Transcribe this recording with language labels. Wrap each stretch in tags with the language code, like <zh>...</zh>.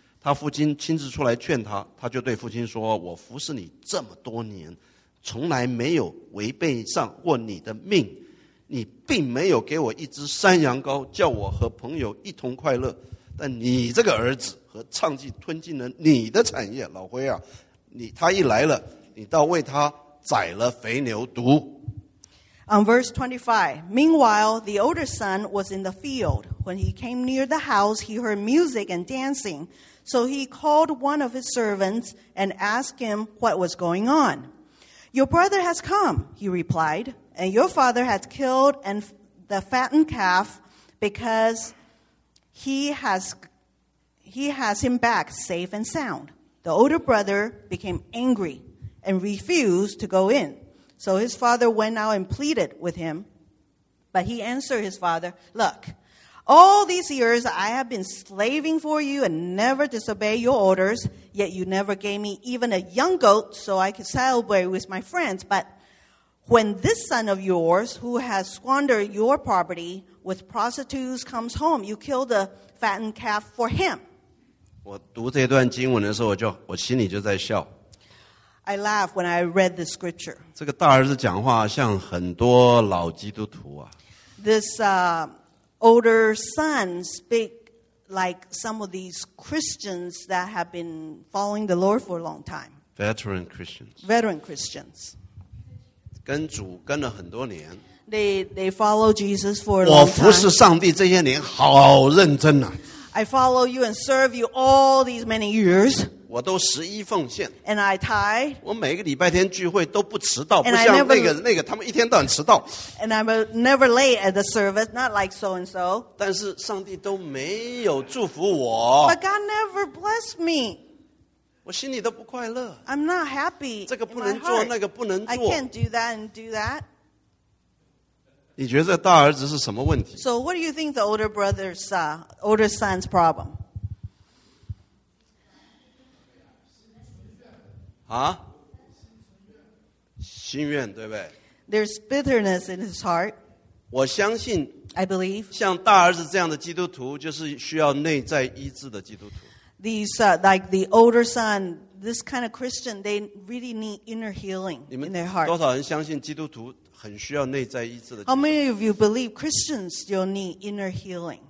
<zh>他父亲亲自出来劝他，他就对父亲说，我服侍你这么多年，从来没有违背上过你的命，你并没有给我一只山羊羔叫我和朋友一同快乐，但你这个儿子和娼妓吞进了你的产业。老辉啊，你他一来了，你倒为他宰了肥牛犊。</zh> <en>On verse 25, meanwhile, the older son was in the field. When he came near the house, he heard music and dancing. So he called one of his servants and asked him what was going on. Your brother has come, he replied, and your father has killed the fattened calf because he has him back safe and sound. The older brother became angry. And refused to go in. So his father went out and pleaded with him. But he answered his father, Look, all these years I have been slaving for you and never disobeyed your orders, yet you never gave me even a young goat so I could celebrate with my friends. But when this son of yours, who has squandered your property with prostitutes, comes home, you kill the fattened calf for him.</en> <zh>我读这段经文的时候我心里就在笑。</zh> <en>I laugh when I read the scripture.</en> <zh>这个大儿子讲话像很多老基督徒啊。</zh> <en>This older son speak like some of these Christians that have been following the Lord for a long time. Veteran Christians. Veteran Christians.</en> <zh>跟主跟了很多年。</zh> <en>They follow Jesus for a long time.</en> <zh>我服侍上帝这些年好认真啊。</zh> <en>I follow you and serve you all these many years.</en> <zh>我都十一奉献</zh> <en>and I tithe,</en> <zh>我每个礼拜天聚会都不迟到不像那个他们一天到晚迟到</zh> <en>and I'm never late at the service not like so and so</en> <zh>但是上帝都没有祝福我</zh> <en>but God never blessed me</en> <zh>我心里都不快乐</zh> <en>I'm not happy</en> <zh>这个不能做那个不能做</zh> <en>I can't do that and do that</en> <zh>你觉得这大儿子是什么问题</zh> <en>So what do you think the older brother's older son's problem?</en> <zh>啊，心愿对不对</zh> <en>？There's bitterness in his heart.</en> <zh>我相信</zh> <en>，I believe，</en> <zh>像大儿子这样的基督徒，就是需要内在医治的基督徒。</zh> <en>These like the older son, this kind of Christian, they really need inner healing in their heart.</en> <zh>多少人相信基督徒很需要内在医治的</zh> <en>？How many of you believe Christians still need inner healing?</en>